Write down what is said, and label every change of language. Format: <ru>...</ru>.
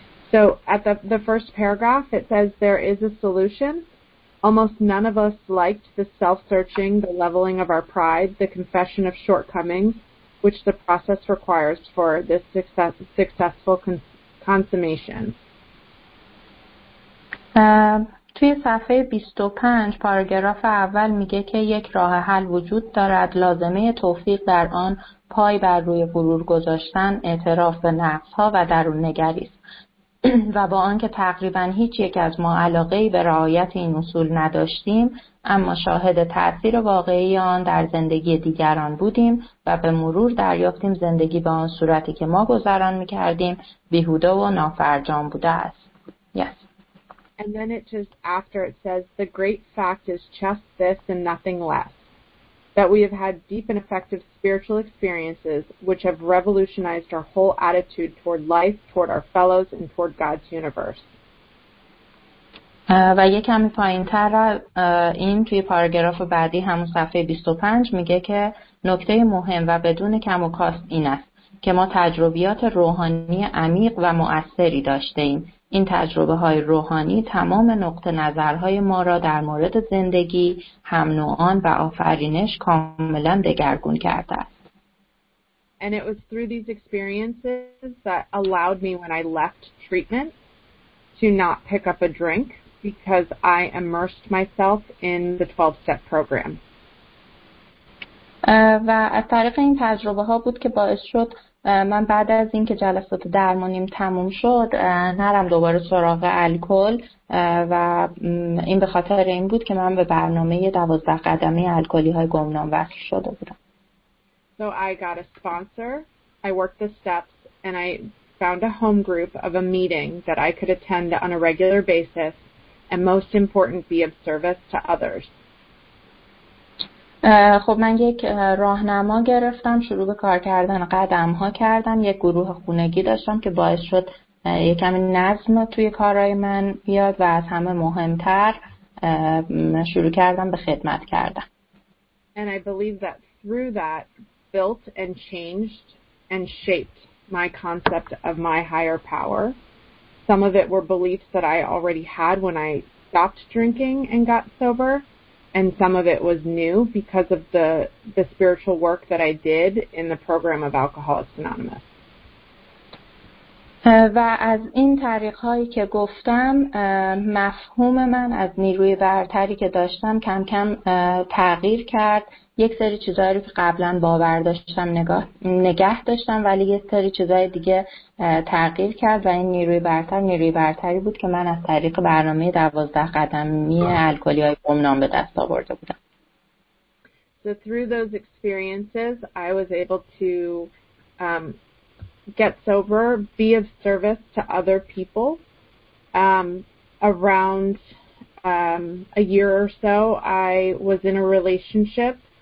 <en>So at the first paragraph, it says there is a solution. Almost none of us liked the self-searching, the leveling of our pride, the confession of shortcomings, which the process requires for this successful consummation.</en> <fa>توی صفحه 25 پاراگراف اول میگه که یک راه حل وجود دارد، لازمه توفیق در آن پای بر روی غرور گذاشتن، اعتراف به نقص‌ها و درون نگری است. و با آنکه تقریبا هیچ یک از ما علاقه‌ای به رعایت این اصول نداشتیم، اما شاهد تأثیر واقعی آن در زندگی دیگران بودیم و به مرور دریافتیم زندگی به آن صورتی که ما گذران می‌کردیم بیهوده و نافرجام بوده است.</fa> <en>Yes. And then it just after it says, the great fact is just this and nothing less, that we have had deep and effective spiritual experiences which have revolutionized our whole attitude toward life, toward our fellows, and toward God's universe.</en> <fa>و یه کمی پایین تر این توی پاراگراف بعدی همون صفحه 25 میگه که نکته مهم و بدون کم و کاست این است که ما تجربیات روحانی عمیق و مؤثری داشته ایم. این تجربه های روحانی تمام نقطه نظرهای ما را در مورد زندگی، هم نوعان و آفرینش کاملا دگرگون کرده است.</fa> <en>And it was through these experiences that allowed me when I left treatment to not pick up a drink because I immersed myself in the 12 step program.</en> <fa>و از طریق این تجربه ها بود که باعث شد من بعد از اینکه جلسات درمانیم تموم شد نرم دوباره سراغ الکل و این به خاطر این بود که من به برنامه 12 قدمی الکلی های گمنام وصل شده بودم.</fa> <en>So I got a sponsor, I worked the steps and I found a home group of a meeting that I could attend on a regular basis and most important be of service to others.</en> <fa>خب من یک راهنما گرفتم، شروع به کار کردن قدم ها کردم، یک گروه خونگی داشتم که باعث شد یکم نظم توی کارهای من بیاد و از همه مهمتر شروع کردم به خدمت کردن.</fa> <en>And I believe that through that built and changed and shaped my concept of my higher power. Some of it were beliefs that I already had when I stopped drinking and got sober. And some of it was new because of the spiritual work that I did in the program of Alcoholics Anonymous.</en> <fa>و از این طریق‌هایی که گفتم مفهوم من از نیروی برتری که داشتم کم کم تغییر کرد. یک سری چیزایی رو که قبلا باور داشتم نگه داشتم، ولی یک سری چیزای دیگه تغییر کرد و این نیروی برتری بود که من از طریق برنامه 12 قدمی الکلی‌های گمنام به دست آورده بودم.</fa> <en>So through those experiences, I was able to get sober, be of service to other people. Around a year or so, I was in a relationship.</en>